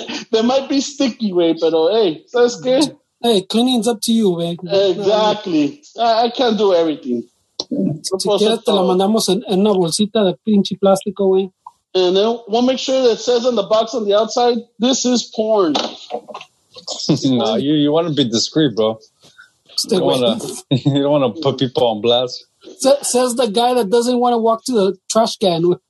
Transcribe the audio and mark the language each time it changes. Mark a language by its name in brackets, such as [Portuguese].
[English] They might be sticky, way, but hey, that's good. Hey, cleaning's up to you, way. Exactly. I can't do everything. [Spanish] Si quieres, te la mandamos en una bolsita de pinche plástico, way. [English] And then we'll make sure that it says on the box on the outside, this is porn. Nah, you want to be discreet, bro. You don't want to put people on blast. Says the guy that doesn't want to walk to the trash can.